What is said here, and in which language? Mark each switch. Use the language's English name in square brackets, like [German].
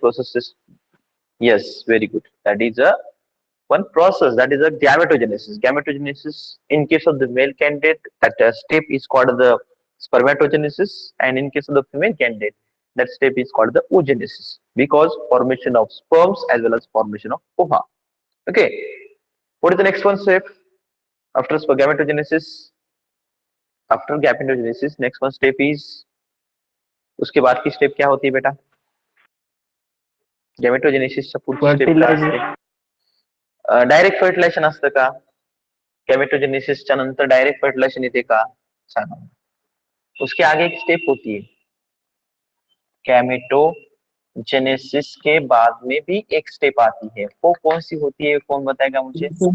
[English] Processes? Yes, very good. That is a one process, that is a gametogenesis. Gametogenesis in case of the male candidate, that step is called the spermatogenesis, and in case of the female candidate that step is called the oogenesis, because formation of sperms as well as formation of ova. Okay, what is the next one step after spermatogenesis? After gametogenesis next one step is, [Hindi] उसके बाद की step क्या होती है बेटा? Gametogenesis से full step last है, [English] Fertilisation. [Marathi] Direct fertilisation असतं का? गैमेटोजेनेसिस च्या नंतर डायरेक्ट फर्टिलाइजेशन येते का? सांगा। [Hindi] उसके आगे एक स्टेप होती है गैमेटो जेनेसिस के बाद में भी एक स्टेप आती है, वो कौन सी होती है, कौन बताएगा मुझे?